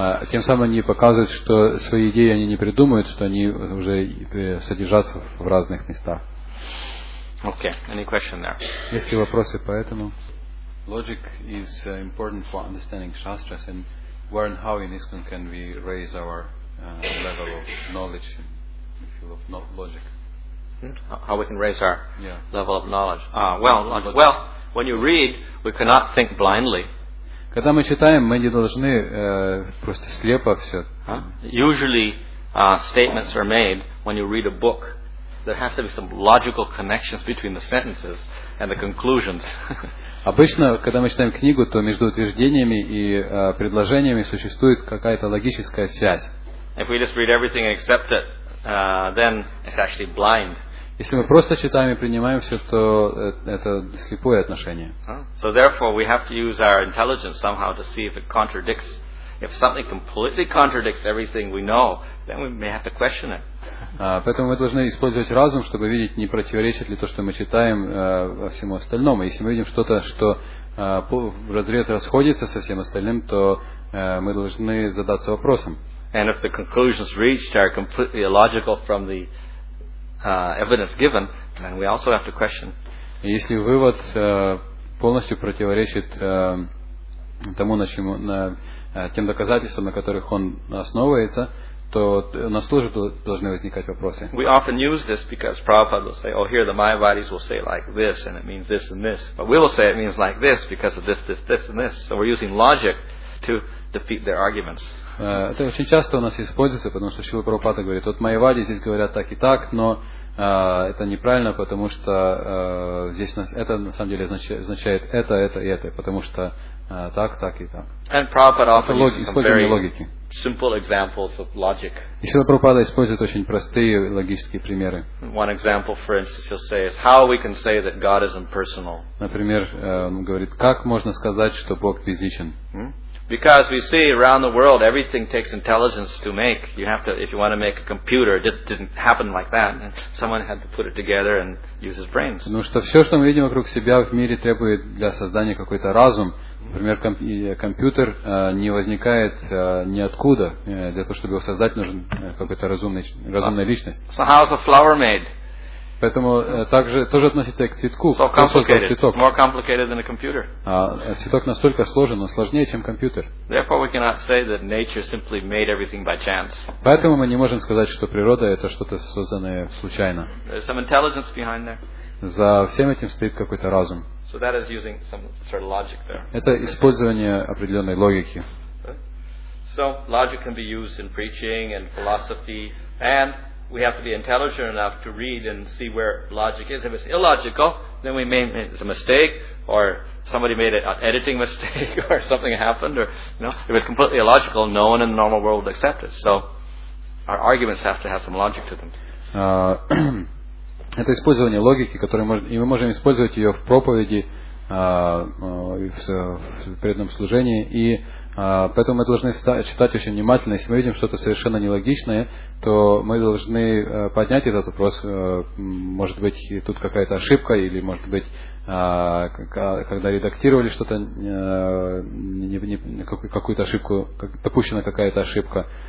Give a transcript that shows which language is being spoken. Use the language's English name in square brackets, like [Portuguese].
[Russian] Тем самым они показывают, что свои идеи они не придумывают, что они уже содержатся в разных местах. [English] Okay, any question there? [Russian] Есть ли вопросы по этому? [English] Logic is important for understanding shastras, and where and how in ISKCON can we raise our level of knowledge, if you love logic? How we can raise our level of knowledge? Well, when you read, we cannot think blindly. [Russian] Когда мы читаем, мы не должны просто слепо все. [English] Usually statements are made when you read a book. There has to be some logical connections between the sentences and the conclusions. [Russian] Обычно, когда мы читаем книгу, то между утверждениями и предложениями существует какая-то логическая связь. [English] If we just read everything and accept it, then it's actually blind. [Russian] Если мы просто читаем и принимаем все, то это слепое отношение. [English] So therefore we have to use our intelligence somehow to see if it contradicts. If something completely contradicts everything we know, then we may have to question it. [Russian] Поэтому мы должны использовать разум, чтобы видеть, не противоречит ли то, что мы читаем, во всему остальному. Если мы видим что-то, что в разрез расходится со всем остальным, то мы должны задаться вопросом. [English] And if the conclusions reached are completely illogical from the evidence given, then we also have to question. [Russian] Если вывод полностью противоречит тому, тем доказательствам, на которых он основывается, то у нас тоже должны возникать вопросы. [English] We often use this because Prabhupada will say, "Oh, here the Mayavadis will say like this, and it means this and this." But we will say it means like this because of this, this, this, and this. So we're using logic to defeat their arguments. [Russian] Это очень часто у нас используется, потому что Шрила Прабхупада говорит, вот Майявади здесь говорят так и так, но это неправильно, потому что здесь нас, это на самом деле означает это и это, потому что так, так и так. [English] And Prabhupada often uses some very [Russian] логики. [English] Simple examples of logic. [Russian] И Шрила Прабхупада использует очень простые логические примеры. [English] One example, for instance, he'll say, is how we can say that God is impersonal. [Russian] Например, он говорит, как можно сказать, что Бог безличен? [English] Because we see around the world, everything takes intelligence to make. You have to, if you want to make a computer, it didn't happen like that. And someone had to put it together and use his brains. [Russian] Ну что все, что мы видим вокруг себя в мире, требует для создания какой-то разум. Например, компьютер не возникает ниоткуда. Для того, чтобы его создать, нужен какой-то разумная личность. [English] So how is a flower made? [Russian] Поэтому также тоже относится к цветку. [English] So complicated. It's more complicated than a computer. [Russian] Цветок настолько сложен, но сложнее, чем компьютер. [English] Therefore, we cannot say that nature simply made everything by chance. [Russian] Поэтому мы не можем сказать, что природа это что-то созданное случайно. [English] There's some intelligence behind there. [Russian] За всем этим стоит какой-то разум. [English] So that is using some sort of logic there. [Russian] Это использование определенной логики. [English] So logic can be used in preaching and philosophy and we have to be intelligent enough to read and see where logic is. If it's illogical, then we may make a mistake or somebody made an editing mistake or something happened, or you know, if it's completely illogical, no one in the normal world would accept it. So our arguments have to have some logic to them. [Russian] Это использование логики, которую мы, и мы можем использовать ее в проповеди, в преданном служении, и поэтому мы должны читать очень внимательно. Если мы видим что-то совершенно нелогичное, то мы должны поднять этот вопрос. Может быть, тут какая-то ошибка, или может быть, когда редактировали что-то, какую-то ошибку, допущена какая-то ошибка.